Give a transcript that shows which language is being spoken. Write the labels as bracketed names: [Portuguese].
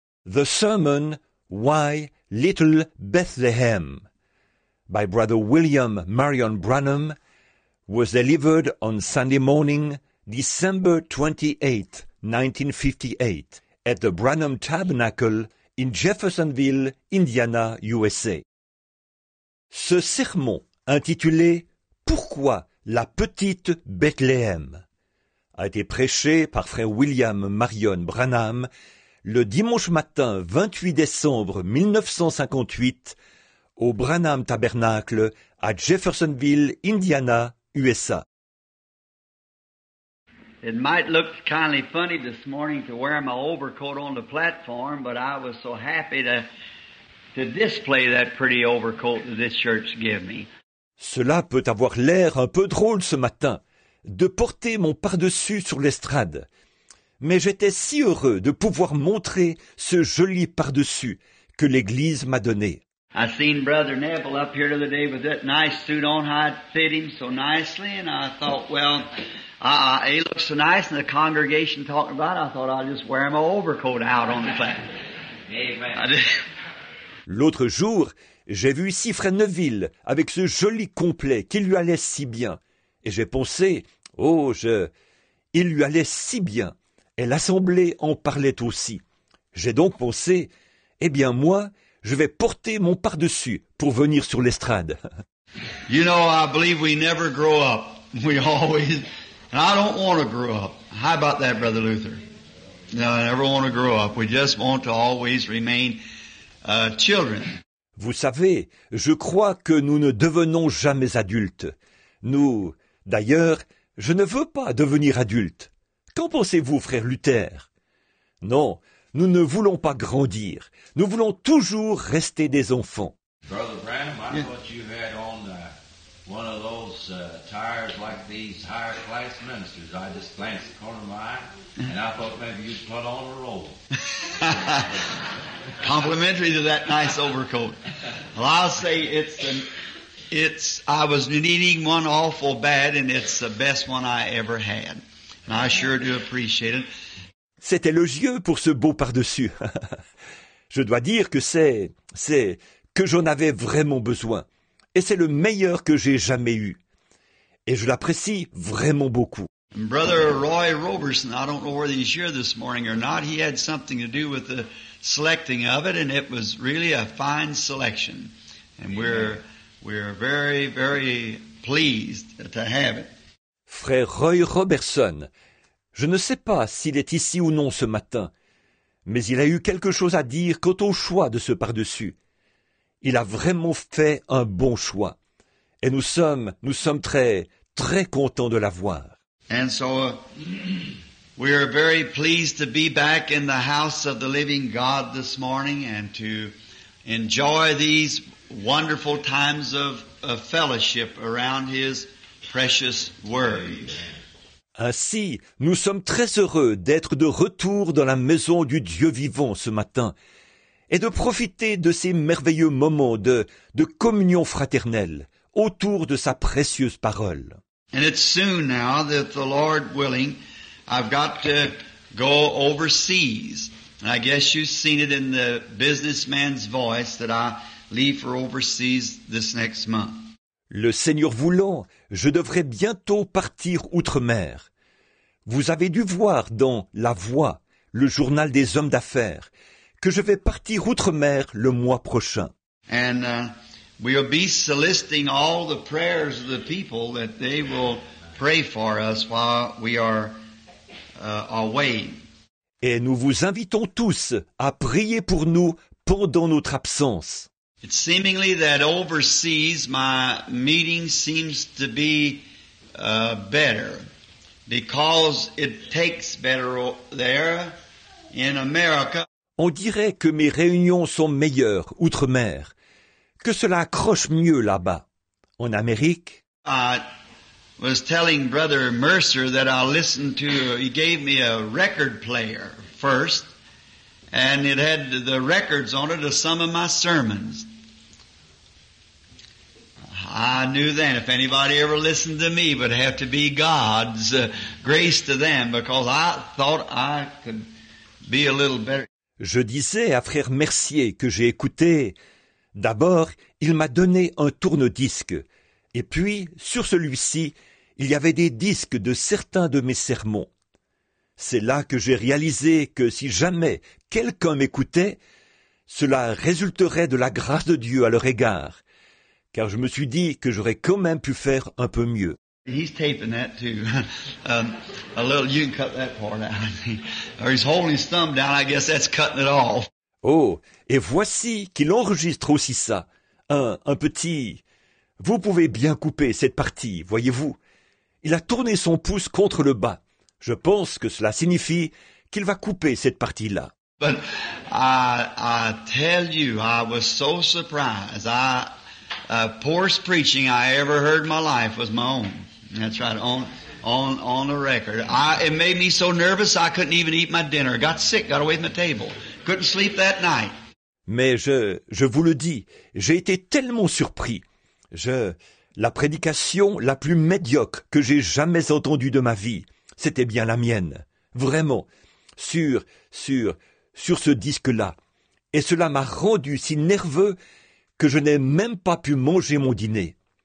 [English] The Sermon, Why Little Bethlehem, by Brother William Marion Branham, was delivered on Sunday morning, December 28, 1958, at the Branham Tabernacle in Jeffersonville, Indiana, USA. [French] Ce sermon intitulé « Pourquoi la petite Bethléem » a été prêché par Frère William Marion Branham le dimanche matin 28 décembre 1958 au Branham Tabernacle à Jeffersonville, Indiana, USA. [English] It might look kind of funny this morning to wear my overcoat on the platform, but I was so happy to display that pretty overcoat that this church gave me. [French] Cela peut avoir l'air un peu drôle ce matin, de porter mon pardessus sur l'estrade. Mais j'étais si heureux de pouvoir montrer ce joli pardessus que l'Église m'a donné. [English] I seen Brother Neville up here the other day with that nice suit on, how it fit him so nicely, and I thought, well, he looks so nice, and the congregation talking about it, I thought I'll just wear my overcoat out on the platform. Amen. [French] L'autre jour, j'ai vu ici Frère Neville avec ce joli complet qui lui allait si bien. Et j'ai pensé, il lui allait si bien. Et l'assemblée en parlait aussi. J'ai donc pensé, moi, je vais porter mon pardessus pour venir sur l'estrade. [English] You know, I believe we never grow up. We always... And I don't want to grow up. How about that, Brother Luther? No, I never want to grow up. We just want to always remain children. [French] Vous savez, je crois que nous ne devenons jamais adultes. D'ailleurs, je ne veux pas devenir adulte. Qu'en pensez-vous, frère Luther? Non, nous ne voulons pas grandir. Nous voulons toujours rester des enfants. [English] Brother Branham, I thought you had on one of those tires like these higher class ministers. I just glanced the corner of my eye, and I thought maybe you'd put on a robe. Complimentary to that nice overcoat. Well, I'll say it's I was needing one awful bad, and it's the best one I ever had. And I sure do appreciate it. [French] C'est élogieux pour ce beau pardessus. Je dois dire que c'est que j'en avais vraiment besoin. Et c'est le meilleur que j'ai jamais eu. Et je l'apprécie vraiment beaucoup. [English] Brother Roy Roberson, I don't know whether he's here this morning or not, he had something to do with the selecting of it, and it was really a fine selection. And we're very, very pleased to have it. [French] Frère Roy Roberson, je ne sais pas s'il est ici ou non ce matin, mais il a eu quelque chose à dire quant au choix de ce pardessus. Il a vraiment fait un bon choix. Et nous sommes très, très contents de l'avoir. [English] And so, we are very pleased to be back in the house of the living God this morning and to enjoy these wonderful times of fellowship around His precious word. [French] Ainsi, nous sommes très heureux d'être de retour dans la maison du Dieu vivant ce matin et de profiter de ces merveilleux moments de communion fraternelle autour de sa précieuse parole. [English] And it's soon now that the Lord willing, I've got to go overseas. And I guess you've seen it in the businessman's voice that I leave for overseas this next month. [French] Le Seigneur voulant, je devrais bientôt partir outre-mer. Vous avez dû voir dans La Voix, le journal des hommes d'affaires, que je vais partir outre-mer le mois prochain. [English] And we'll be soliciting all the prayers of the people that they will pray for us while we are away. [French] Et nous vous invitons tous à prier pour nous pendant notre absence. [English] It's seemingly that overseas my meeting seems to be better because it takes better there in America. [French] On dirait que mes réunions sont meilleures outre-mer, que cela accroche mieux là-bas, en Amérique. [English] I was telling Brother Mercer that I listened to, he gave me a record player first, and it had the records on it of some of my sermons. I knew then if anybody ever listened to me, it would have to be God's grace to them, because I thought I could be a little better. [French] Je disais à frère Mercier que j'ai écouté. D'abord, il m'a donné un tourne-disque. Et puis, sur celui-ci, il y avait des disques de certains de mes sermons. C'est là que j'ai réalisé que si jamais quelqu'un m'écoutait, cela résulterait de la grâce de Dieu à leur égard. Car je me suis dit que j'aurais quand même pu faire un peu mieux. [English] He's taping that too. A little, you can cut that part out. Or he's holding his thumb down, I guess that's cutting it off. [French] Oh, et voici qu'il enregistre aussi ça. Un petit... Vous pouvez bien couper cette partie, voyez-vous. Il a tourné son pouce contre le bas. Je pense que cela signifie qu'il va couper cette partie-là. [English] But I tell you, I was so surprised. Poorest preaching I ever heard in my life was my own. That's right, on the record. It made me so nervous I couldn't even eat my dinner. Got sick, got away from the table. Couldn't sleep that night. [French] Mais je vous le dis, j'ai été tellement surpris. La prédication la plus médiocre que j'ai jamais entendue de ma vie, c'était bien la mienne. Vraiment. Sur ce disque-là. Et cela m'a rendu si nerveux que je n'ai même pas pu manger mon dîner.